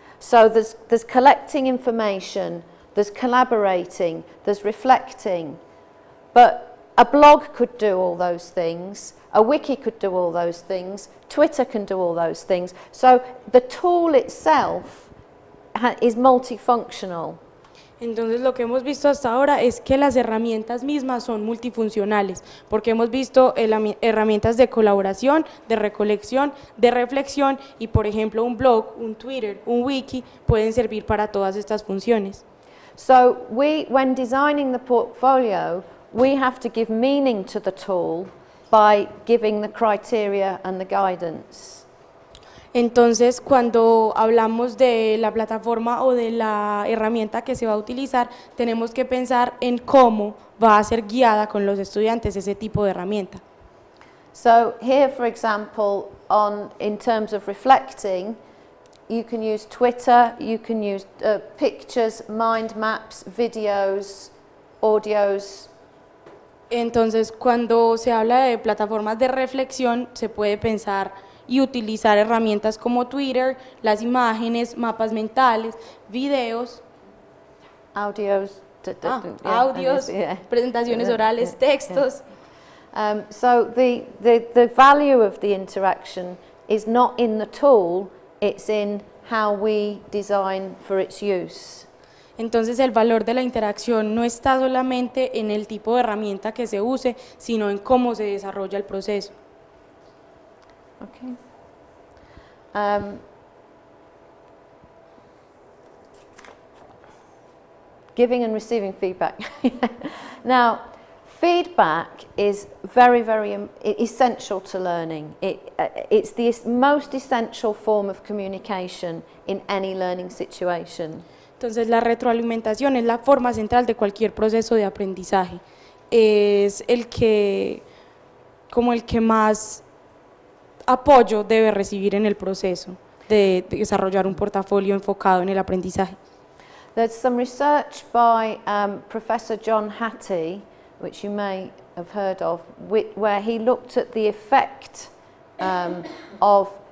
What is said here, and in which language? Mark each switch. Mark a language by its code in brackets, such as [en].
[en] So there's collecting information, there's collaborating, there's reflecting. But a blog could do all those things, a wiki could do all those things, Twitter can do all those things. So the tool itself is multifunctional. [es] Entonces, lo que hemos visto hasta ahora es que las herramientas mismas son multifuncionales, porque hemos visto herramientas de colaboración, de recolección, de reflexión y, por ejemplo, un blog, un Twitter, un wiki pueden servir para todas estas funciones. [en] So, when designing the portfolio, we have to give meaning to the tool by giving the criteria and the guidance. [es] Entonces, cuando hablamos de la plataforma o de la herramienta que se va a utilizar, tenemos que pensar en cómo va a ser guiada con los estudiantes ese tipo de herramienta. [en] So, here for example, in terms of reflecting, you can use Twitter, you can use pictures, mind maps, videos, audios. [es] Entonces, cuando se habla de plataformas de reflexión, se puede pensar y utilizar herramientas como Twitter, las imágenes, mapas mentales, videos, audios, presentaciones orales, textos. [en] So the value of the interaction is not in the tool, it's in how we design for its use. [es] Entonces, el valor de la interacción no está solamente en el tipo de herramienta que se use, sino en cómo se desarrolla el proceso. [en] Okay. Giving and receiving feedback. Now, feedback is very, very essential to learning. It's the most essential form of communication in any learning situation. [es] Entonces, la retroalimentación es la forma central de cualquier proceso de aprendizaje. Es el que, como el que más apoyo debe recibir en el proceso de desarrollar un portafolio enfocado en el aprendizaje. [en] There's some research by Professor John Hattie, which you may have heard of, where he looked at the effect of